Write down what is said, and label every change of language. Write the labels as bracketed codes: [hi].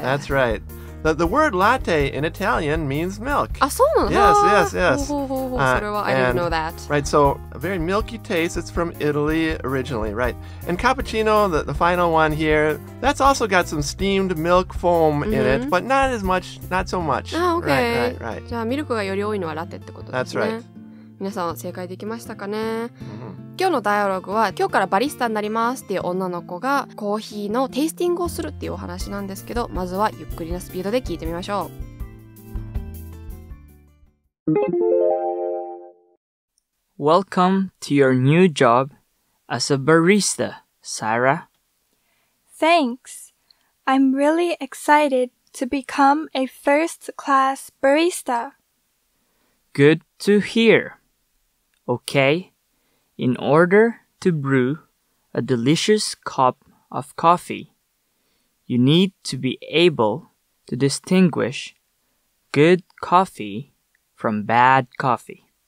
[en] That's right. The word latte in Italian means milk. [ja] あ、そうなの? [en] Yes, yes, yes. I didn't know that. Right, so a very milky taste. It's from Italy originally, right? And cappuccino, the final one here, that's also got some steamed milk foam in it, but not as much, not so much. [ja] あ、OK. [en] Right. [ja] じゃあミルクがより多いのはラテってことですね。 [en] That's right. [ja] 皆さんは正解できましたかね?今日のダイアログは今日からバリスタになりますっていう女の子がコーヒーのテイスティングをするっていうお話なんですけど、まずはゆっくりなスピードで聞いてみましょう。 [en] Welcome to your new job as a barista, Sarah. Thanks. I'm really excited to become a first class barista. Good to hear. Okay. In order to brew a delicious cup of coffee, you need to be able to distinguish good coffee from bad coffee.